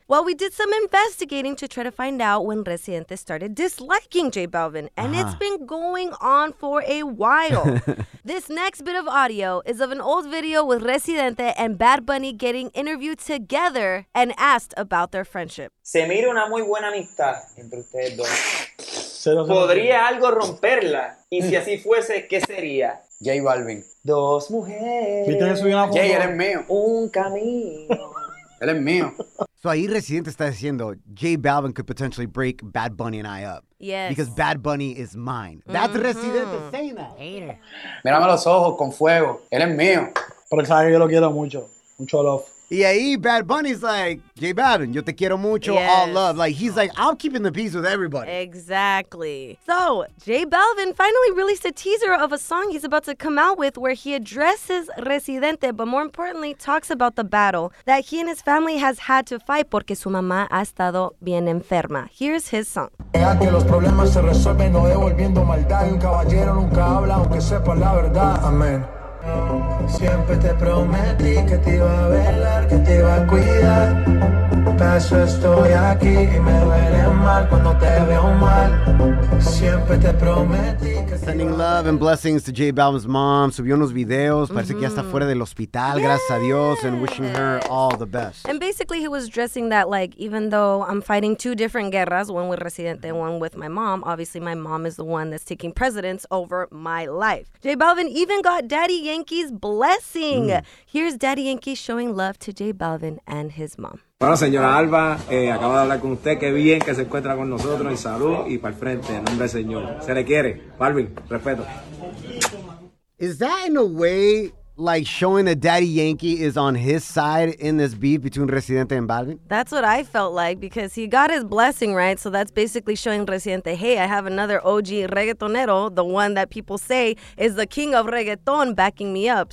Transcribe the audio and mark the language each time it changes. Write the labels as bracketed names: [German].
[English] Well, we did some investigating to try to find out when Residente started disliking J Balvin, and it's been going on for a while. This next bit of audio is of an old video with Residente and Bad Bunny getting interviewed together and asked about their friendship. [Spanish] Se mira una muy buena amistad entre ustedes dos. ¿Podría algo romperla? Y si así fuese, ¿qué sería? J Balvin. Dos mujeres. ¿Viste que subió una foto? Jay, él es mío. Un camino. Él es mío. So ahí Residente está diciendo, [English] J Balvin could potentially break Bad Bunny and I up. Yes. Because Bad Bunny is mine. That's Residente saying that. Hater. [Spanish] Mírame los ojos con fuego. Él es mío. Pero él sabe que yo lo quiero mucho. Mucho love. Y ahí [English] Bad Bunny's like, [Spanish] J Balvin, yo te quiero mucho, [English] yes. All love. Like, he's like, I'm keeping the peace with everybody. Exactly. So, J Balvin finally released a teaser of a song he's about to come out with where he addresses Residente, but more importantly, talks about the battle that he and his family has had to fight [Spanish] porque su mamá ha estado bien enferma. [English] Here's his song. [Spanish] Que los problemas se resuelven no devolviendo maldad. Un caballero nunca habla aunque sepa la verdad. Amén. Siempre te prometí que te iba a velar, que te iba a cuidar. Para eso estoy aquí y me duele mal cuando te veo mal. Siempre te prometí. [English] Sending love and blessings to J Balvin's mom. [Spanish] Subió unos videos. Parece que ya está fuera del hospital. [English] Yes. [Spanish] Gracias a Dios. [English] And wishing her all the best. And basically, he was addressing that, like, even though I'm fighting two different guerras, one with Residente and one with my mom, obviously my mom is the one that's taking precedence over my life. J Balvin even got Daddy Yankee's blessing. Mm. Here's Daddy Yankee showing love to J Balvin and his mom. [Spanish] Bueno, señora Alba, acabo de hablar con usted. Qué bien que se encuentra con nosotros. Y salud y para el frente, en nombre del señor. Se le quiere. Balvin, respeto. [English] Is that in a way like showing that Daddy Yankee is on his side in this beef between Residente and Balvin? That's what I felt like, because he got his blessing, right? So that's basically showing Residente, hey, I have another OG reggaetonero, the one that people say is the king of reggaeton, backing me up.